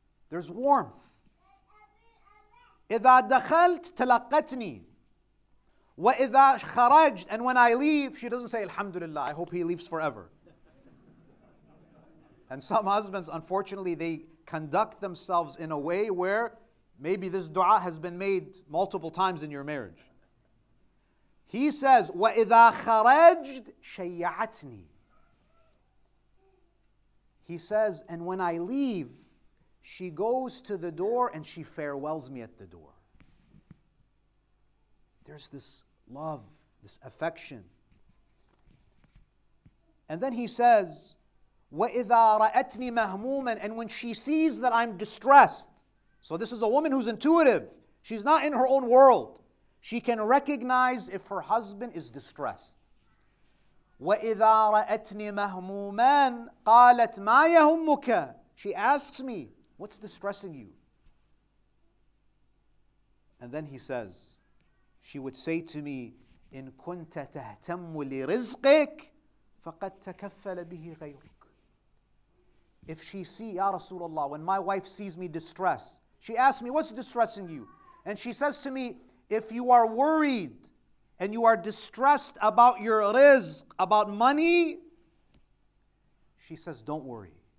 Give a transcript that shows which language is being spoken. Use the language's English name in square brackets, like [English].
[English] There's warmth. [Arabic] إِذَا دَخَلْتْ تَلَقَّتْنِي وَإِذَا خَرَجْتْ. [English] And when I leave, she doesn't say, Alhamdulillah, I hope he leaves forever. And some husbands, unfortunately, they conduct themselves in a way where maybe this dua has been made multiple times in your marriage. He says, [Arabic] وَإِذَا خَرَجْتْ شَيَّعَتْنِي. [English] He says, and when I leave, she goes to the door and she farewells me at the door. There's this love, this affection. And then he says, [Arabic] وَإِذَا رَأَتْنِي مَهْمُومًا. [English] And when she sees that I'm distressed. So this is a woman who's intuitive. She's not in her own world. She can recognize if her husband is distressed. [Arabic] وَإِذَا رَأَتْنِي مَهْمُومًا قَالَتْ مَا يَهُمُّكَ. [English] She asks me, what's distressing you? And then he says, she would say to me, [Arabic] إن كنت تهتم لرزقك فقد تكفل به غيرك. [English] If she see, [Arabic] يا رسول الله, [English] when my wife sees me distressed, she asks me, what's distressing you? And she says to me, if you are worried and you are distressed about your rizq, about money, she says, don't worry.